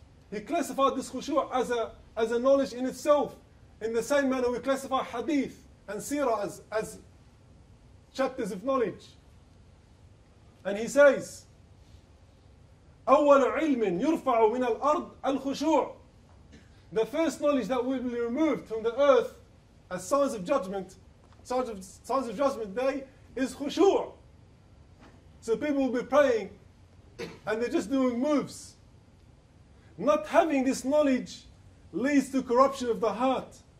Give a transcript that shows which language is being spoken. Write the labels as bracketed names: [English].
[English] He classified this khushu' as a knowledge in itself, in the same manner we classify hadith and seerah as chapters of knowledge. And he says, [Arabic] أول علم يرفع من الأرض الخشوع. [English] The first knowledge that will be removed from the earth as signs of judgment, signs of judgment day, is خشوع. So people will be praying and they're just doing moves. Not having this knowledge leads to corruption of the heart.